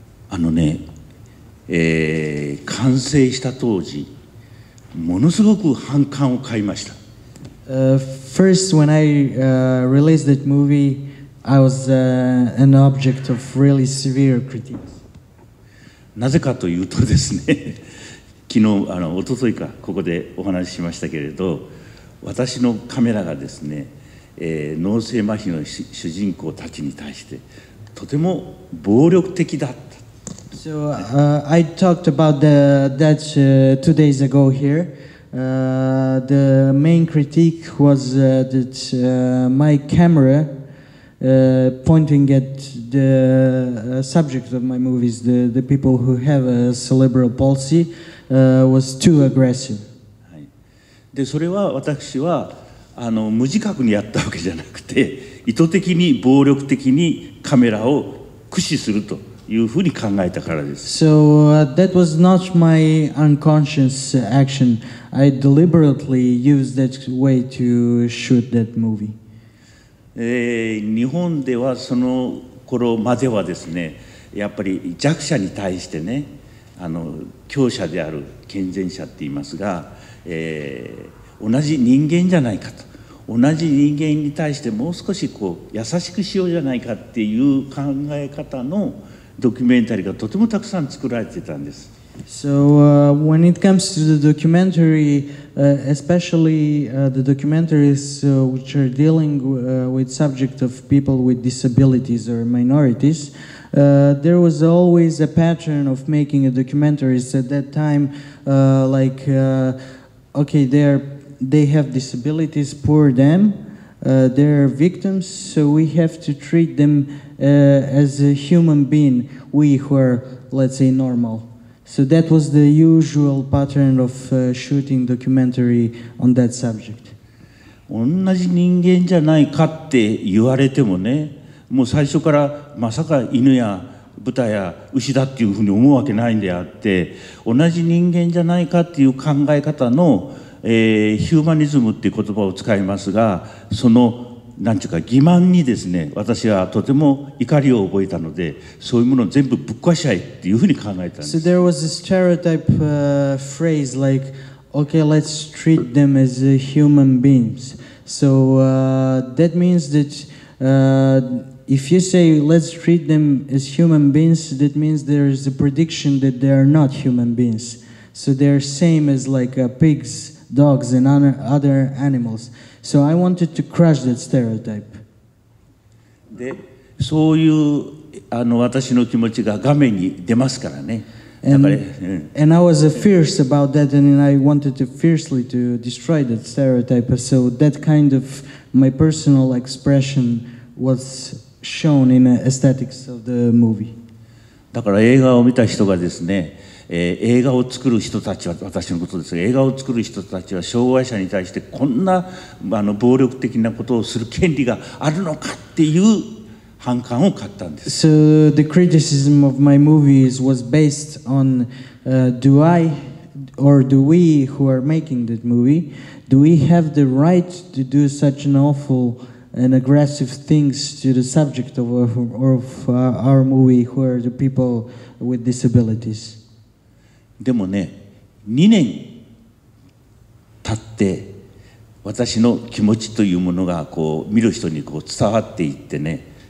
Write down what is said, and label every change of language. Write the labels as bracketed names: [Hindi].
[Japanese] あのね、完成した当時ものすごく反感を買いました。 [English] First, when I released that movie, I was an object of really severe critics. [Japanese] なぜかというとですね、昨日一昨日かここでお話ししましたけれど、私のカメラがですね、脳性麻痺の主人公たちに対してとても暴力的だった。 [English] So I talked about that 2 days ago here. The main critique was that my camera pointing at the subject of my movies, the people who have a cerebral palsy, was too aggressive. [Japanese] で、それは私は無自覚にやったわけじゃなくて、意図的に暴力的にカメラを駆使すると。いうふうに考えたからです。 [English] So, that was not my unconscious action. I deliberately used that way to shoot that movie. [Japanese] 日本ではその頃まではですね、やっぱり弱者に対してね、強者である健全者って言いますが、同じ人間じゃないかと。同じ人間に対してもう少しこう優しくしようじゃないかっていう考え方のドキュメンタリーがとてもたくさん作られてたんです。 [English] So, when it comes to the documentary, especially the documentaries which are dealing with subject of people with disabilities or minorities, there was always a pattern of making a documentary at that time, like, okay, they have disabilities, poor them, they're victims, so we have to treat themas a human being, we who are, let's say, normal. So that was the usual pattern of shooting documentary on that subject. [Japanese] 同じ人間じゃないかって言われてもね、もう最初からまさか犬や豚や牛だっていうふうに思うわけないんであって、同じ人間じゃないかっていう考え方の、ヒューマニズムっていう言葉を使いますが、そのなんていうか欺瞞にですね、私はとても怒りを覚えたので、そういうものを全部ぶっ壊しちゃいっていうふうに考えたんです。 [English] So there was a stereotype phrase like, okay, let's treat them as human beings. So that means that If you say let's treat them as human beings, that means there is a prediction that they are not human beings. So they're same as like pigs, dogs, and other animals. So I wanted to crush that stereotype. [Japanese] で、そういうあの私の気持ちが画面に出ますからね。 [English] And I was fierce about that, and I wanted to fiercely to destroy that stereotype. So that kind of my personal expression was shown in the aesthetics of the movie. [Japanese] だから映画を見た人がですね、映画を作る人たちは私のことですが、映画を作る人たちは障害者に対してこんな暴力的なことをする権利があるのかっていう反感を買ったんです。 [English] So the criticism of my movies was based on do I or do we who are making that movie do we have the right to do such an awful and aggressive things to the subject of our movie who are the people with disabilities。 [Japanese] でもね、2年経って私の気持ちというものがこう見る人にこう伝わっていってね。